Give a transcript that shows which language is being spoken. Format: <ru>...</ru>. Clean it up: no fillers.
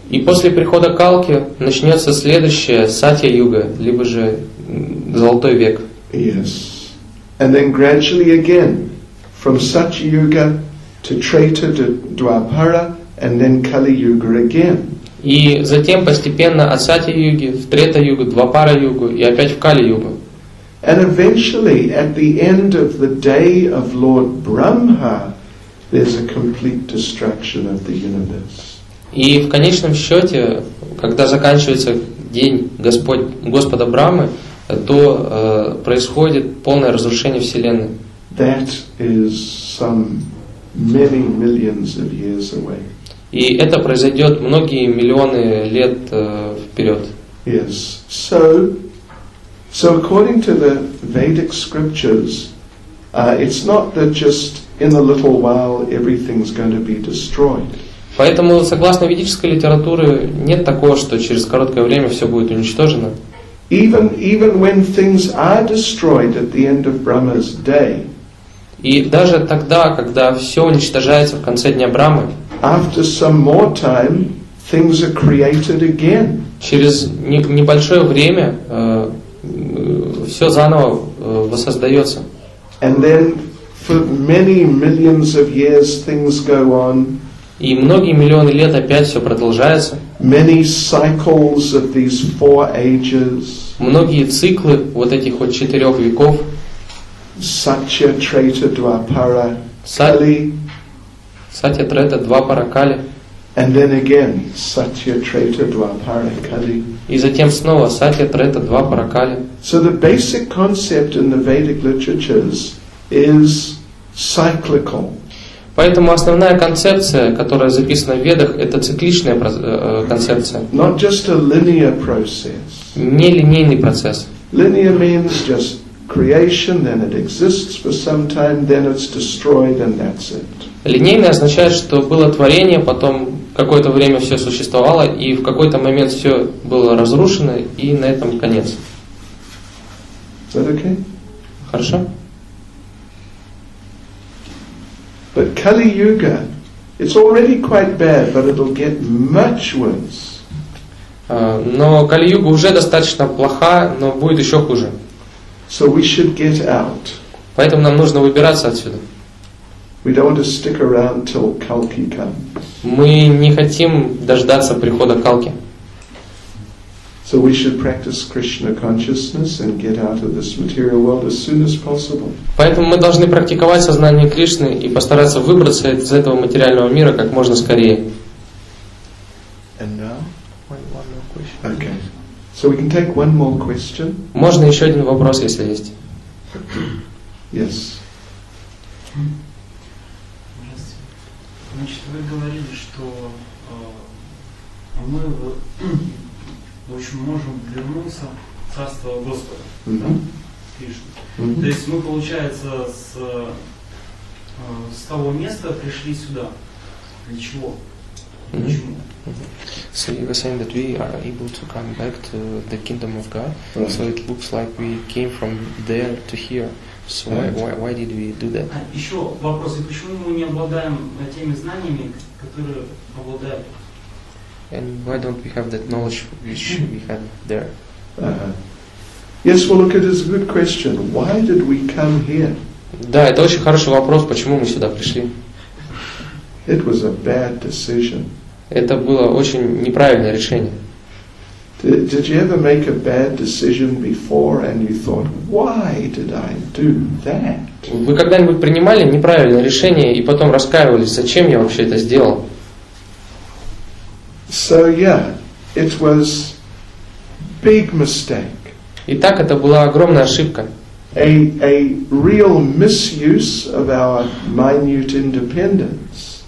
<ru>И после прихода Калки начнется следующая Сатья Юга, либо же Золотой век.</ru> <en>Yes. And then gradually again, from Satya Yuga to Treta to Dwapara, and then Kali Yuga again.</en> <ru>И затем постепенно от Сатья Юги в Трета Югу, Двапара Югу и опять в Кали Югу.</ru> <en>And eventually, at the end of the day of Lord Brahma, there's a complete destruction of the universe.</en> <ru>И в конечном счете, когда заканчивается день Господа Брахмы, то происходит полное разрушение Вселенной.</ru> <en>That is some many millions of years away.</en> <ru>И это произойдет многие миллионы лет вперед.</ru> <en>Yes. So according to the Vedic scriptures, it's not that just in a little while everything's going to be destroyed.</en> <ru>Поэтому согласно ведической литературе нет такого, что через короткое время все будет уничтожено.</ru> <en>Even when things are destroyed at the end of Brahma's day.</en> <ru>И даже тогда, когда все уничтожается в конце дня Брахмы.</ru> <en>After some more time, things are created again.</en> <ru>Через небольшое время все заново воссоздается.</ru> <en>And then for many millions of years things go on.</en> <ru>И многие миллионы лет опять все продолжается.</ru> <en>Many cycles of these four ages.</en> <ru>Многие циклы вот этих вот четырех веков. Сатья трета двапара кали. Сатья трета двапара кали.</ru> <en>And then again, Satya Treta Dvapara Kali.</en> <ru>И затем снова Satya Treta Dvapara Kali.</ru> <en>So the basic concept in the Vedic literatures is cyclical.</en> <ru>Поэтому основная концепция, которая записана в Ведах, это цикличная концепция.</ru> <en>Not just a linear process.</en> <ru>Не линейный процесс.</ru> <en>Linear means just creation, then it exists for some time, then it's destroyed, and that's it.</en> <ru>Линейное означает, что было творение, потом какое-то время все существовало, и в какой-то момент все было разрушено, и на этом конец.</ru> <en>Is that okay?</en> <ru>Хорошо.</ru> <en>But Kali Yuga, it's already quite bad, but it'll get much worse.</en> <ru>Но Кали-Юга уже достаточно плоха, но будет еще хуже.</ru> <en>So we should get out.</en> <ru>Поэтому нам нужно выбираться отсюда.</ru> <en>We don't want to stick around till Kalki comes.</en> <ru>Мы не хотим дождаться прихода Калки.</ru> <en>So we should practice Krishna consciousness and get out of this material world as soon as possible.</en> <ru>Поэтому мы должны практиковать сознание Кришны и постараться выбраться из этого материального мира как можно скорее.</ru> <en>And now, one more question. Okay. So we can take one more question.</en> <ru>Можно еще один вопрос, если есть.</ru> <en>Yes.</en> <ru>Значит, вы говорили, что мы, в общем, можем вернуться в Царство Господа, mm-hmm. да, Кришну. Mm-hmm. То есть мы, получается, с того места пришли сюда. Для чего? Mm-hmm. Почему?</ru> <en>So you were saying that we are able to come back to the kingdom of God. Right. So it looks like we came from there to here. So right. why did we do that?</en> <ru>Еще вопрос: почему мы не обладаем теми знаниями, которые обладают?</ru> <en>And why don't we have that knowledge which we had there? Uh-huh. Yes, well, look, it is a good question. Why did we come here?</en> <ru>Да, это очень хороший вопрос, почему мы сюда пришли?</ru> <en>It was a bad decision.</en> <ru>Это было очень неправильное решение.</ru> <en>Did you ever make a bad decision before and you thought, why did I do that?</en> <ru>Вы когда-нибудь принимали неправильное решение и потом раскаивались, зачем я вообще это сделал?</ru> <en>So yeah, it was big mistake.</en> <ru>Итак, это была огромная ошибка.</ru> <en>A real misuse of our minute independence.</en>